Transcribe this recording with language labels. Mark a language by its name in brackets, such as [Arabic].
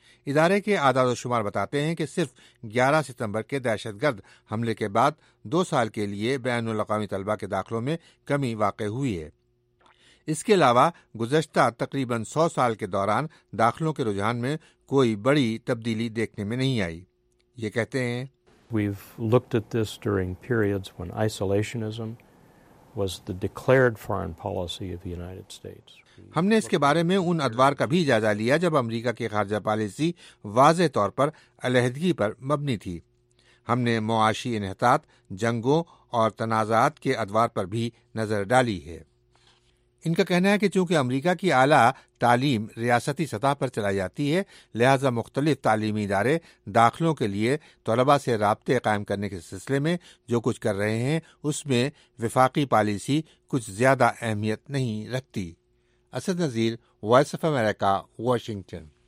[Urdu] ادارے کے اعداد و شمار بتاتے ہیں کہ صرف 11 ستمبر کے دہشت گرد حملے کے بعد 2 سال کے لیے بین الاقوامی طلبہ کے داخلوں میں کمی واقع ہوئی ہے۔ اس کے علاوہ گزشتہ تقریباً 100 سال کے دوران داخلوں کے رجحان میں کوئی بڑی تبدیلی دیکھنے میں نہیں آئی۔ یہ کہتے ہیں، [English] We've looked at this during periods when isolationism was the declared foreign policy of the United States. [Urdu] ہم نے اس کے بارے میں ان ادوار کا بھی جائزہ لیا جب امریکہ کی خارجہ پالیسی واضح طور پر علیحدگی پر مبنی تھی۔ ہم نے معاشی انحطاط، جنگوں اور تنازعات کے ادوار پر بھی نظر ڈالی ہے۔ ان کا کہنا ہے کہ چونکہ امریکہ کی اعلیٰ تعلیم ریاستی سطح پر چلائی جاتی ہے، لہذا مختلف تعلیمی ادارے داخلوں کے لیے طلبہ سے رابطے قائم کرنے کے سلسلے میں جو کچھ کر رہے ہیں اس میں وفاقی پالیسی کچھ زیادہ اہمیت نہیں رکھتی۔ Asad Nazir, voice of America, Washington.